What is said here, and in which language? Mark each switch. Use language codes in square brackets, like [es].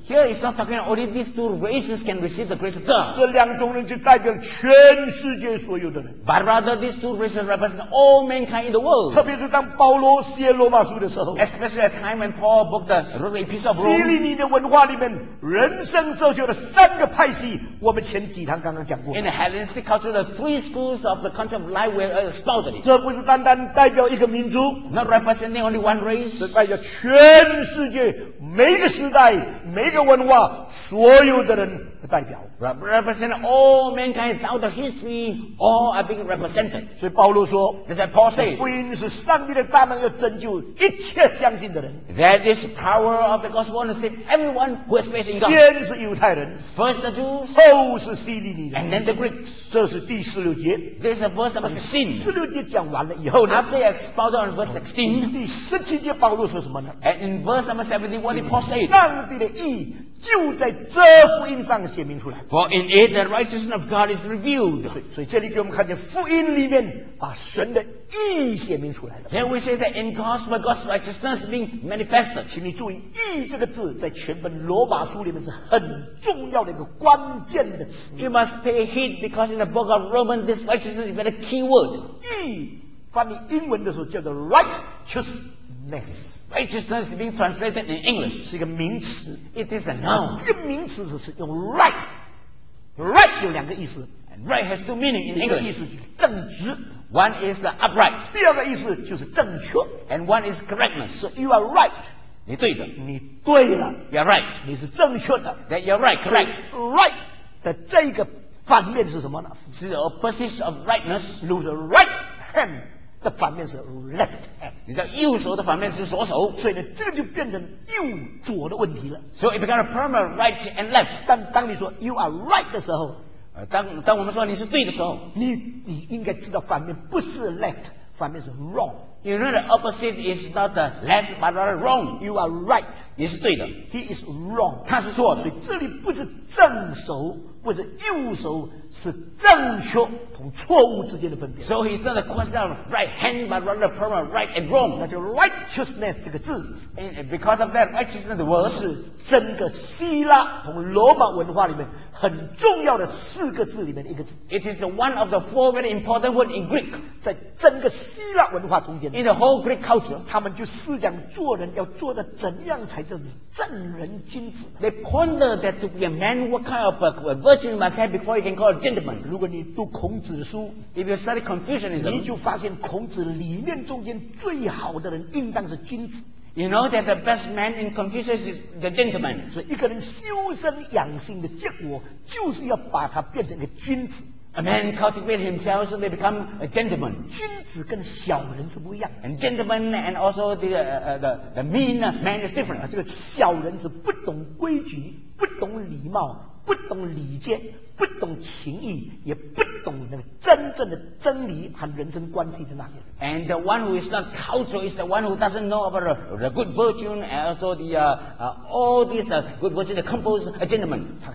[en] Here is not talking only these two races can receive the grace of God。 [zh] 这两种人就代表全世界所有的人。 [en] But rather these two races represent all mankind in the world。 [zh] 特别是当保罗写罗马书的时候 [en] ，especially at the time when Paul wrote the Epistle of Rome。 [zh] 文化里面人生哲学的三个派系我们前几堂刚刚讲过 [en] In the Hellenistic culture the three schools of the concept of life were spouted [zh] 这不是单单代表一个民族 [en] Not representing only one race [zh] 这代表全世界每个时代每个文化所有的人的代表 [en] Represent all mankind throughout the history all are being represented [zh] 所以保罗说 [en] That's what Paul said [zh] 福音是上帝的大能要拯救一切相信的人 [en] That is power of the gospel on the same Everyone who has faith in God [zh] 先是犹太人 [en] First the Jews [zh] 后是希利尼人 [en] And then the Greeks [zh] 这是第十六节 [en] This is the verse number 16 [zh] 十六节讲完了以后呢 [en] After he expounded on verse 16 [zh] 第十七节保罗说什么呢 [en] And in verse number 71 Paul said [zh] 上帝的义就在这福音上显明出来 [en] For in it the righteousness of God is revealed [zh] 所以这里给我们看见福音里面把神的义显明出来了 [en] Then we say that in gospel God's righteousness being manifested [zh] 请你注意义这个字在全本罗马书里面是很重要的一个关键的词 [en] You must pay heed because in the book of Romans this righteousness is a key word [zh] 义翻译英文的时候叫做 righteousness [en] Righteousness being translated in English [zh] 是一个名词 [en] It is a noun [zh] 这个名词是用 right Right 有两个意思 [en] And Right has two meanings in English [zh] 一个意思就是正直 [en] One is the upright [zh] 第二个意思就是正确 [en] And one is correctness So you are right [zh] 你对的你对了 [en] You are right [zh] 你是正确的 [en] That you are right, correct [zh] Right 的这个反面是什么呢？ [en] 是 the opposite of rightness. Lose the right hand. [zh] 的反面是 [en] left hand. [zh] 你知道右手的反面是左手，所以呢，这个就变成右左的问题了。 [en] So it becomes a problem of right and left. [zh] 当你说 [en] you are right [zh] 的时候，当我们说你是对的时候，你应该知道反面不是 left， 反面是 wrong。 [en] You know the opposite is not the left but the wrong. You are right. [zh] 你是对的。 [en] He is wrong. [zh] 他是错的。所以这里不是正手，不是右手，是正确同错误之间的分别。 [en] So it's not a question of right hand but rather the problem of right and wrong. [zh] 那就 righteousness 这个字。 [en] And because of that, righteousness the word [zh] 是整个希腊同罗马文化里面很重要的四个字里面的一个字。 [en] It is one of the four very important words in Greek. [zh] 在整个希腊文化中间。 [en] In the whole Greek culture, [zh] 他们就思想做人要做的怎样才叫做正人君子。 [en] They ponder that to be a man, what kind of a virtue you must have before you can call a gentleman. [zh] 如果你读孔子书 [en] ，If you study Confucianism, [zh] 你就发现孔子理念中间最好的人应当是君子。 [en] You know that the best man in Confucius is the gentleman. [zh] 所以一个人修身养性的结果就是要把他变成一个君子。 [en] A man cultivate himself so they become a gentleman. [zh] 君子跟小人是不一样。 [en] And gentleman and also the mean man is different. [zh] 这个小人是不懂规矩，不懂礼貌，不懂礼节，不懂情义，也不懂那个真正的真理和人生关系的那些。 [en] And the one who is not cultural is the one who doesn't know about the good virtue and also the all these good virtue that compose a gentleman.